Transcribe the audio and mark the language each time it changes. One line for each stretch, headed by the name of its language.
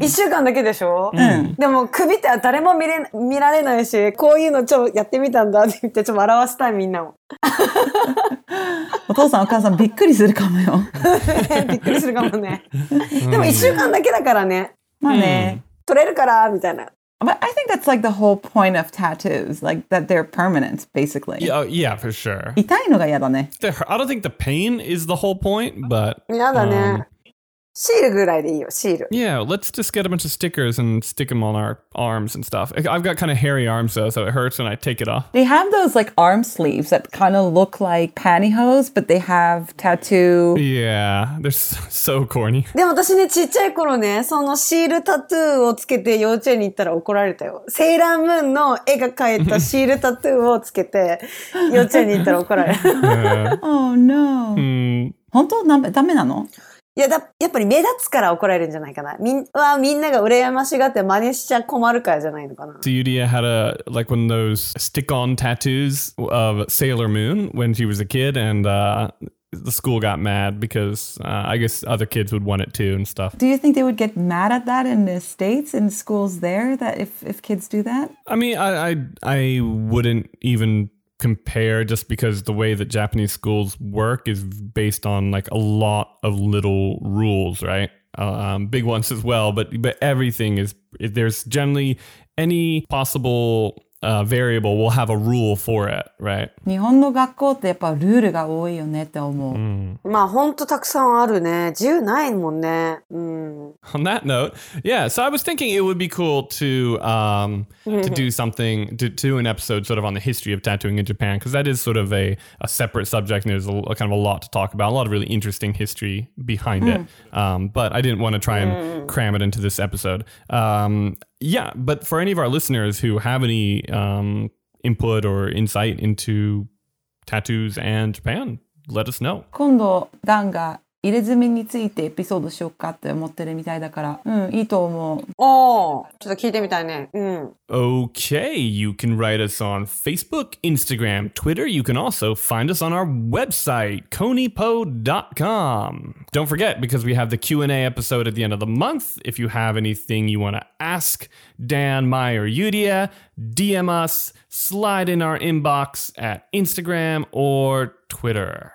Japanese: 1週間だけでしょ、うん、でも首って誰も見られないし、こういうのちょっとやってみたんだって言ってちょっと笑わせたいみんなを。お父さんお母さんびっくりするかもよ。びっくりするかもね。でも1週間だけだからね、まあね、うん、取れるからみたいな。
English: But I think that's like the whole point of tattoos, like that they're permanent, basically. Yeah, for sure.
Japanese: 痛いのが嫌だね。
English: I don't think the pain is the whole point, but...
Japanese: 嫌だね。シールぐらいでいいよ、シール。
English: Yeah, let's just get a bunch of stickers and stick them on our arms and stuff. I've got kind of hairy arms though, so it hurts when I take it off. They have those like arm sleeves that kind of look like pantyhose, but they have tattoo... Yeah, they're so corny.
Japanese: でも私ね、ちっちゃい頃ね、そのシールタトゥーをつけて幼稚園に行ったら怒られたよ。セーラームーンの絵が描いたシールタトゥーをつけて幼稚園に行ったら怒られた。
English: Oh no.
Japanese: 本当なダメなの？いや、やっぱり目立つから怒られるんじゃないかな。みんなが羨ましがって真似しちゃ困るからじゃないのかな。
English: So Yuria had a, like one of those stick-on tattoos of Sailor Moon when she was a kid, and the school got mad because I guess other kids would want it too and stuff. Do you think they would get mad at that in the States, in schools there, that if kids do that? I mean, I wouldn't even... compare just because the way that Japanese schools work is based on like a lot of little rules, right? Big ones as well, but everything is, there's generally any possible variable will have a rule for it, right?
Japanese: 日本の学校ってやっぱルールが多いよねって思う。 Mm. まあ本当たくさんあるね。自由ないもんね。
English: On that note, yeah, so I was thinking it would be cool to do something, to do an episode sort of on the history of tattooing in Japan, because that is sort of a separate subject and there's a kind of a lot to talk about, a lot of really interesting history behind it. But I didn't want to try and cram it into this episode. Yeah, but for any of our listeners who have any input or insight into tattoos and Japan, let us know.
Japanese: 今度ダンが入れ墨についてエピソードしようかって思ってるみたいだから、うん、いいと思う。おー、ちょっと聞いてみたいね。うん。
English: Okay, you can write us on Facebook, Instagram, Twitter. You can also find us on our website, konnichiwa.com. Don't forget, because we have the Q&A episode at the end of the month, if you have anything you want to ask Dan, Mai, or Yuria, DM us, slide in our inbox at Instagram or Twitter.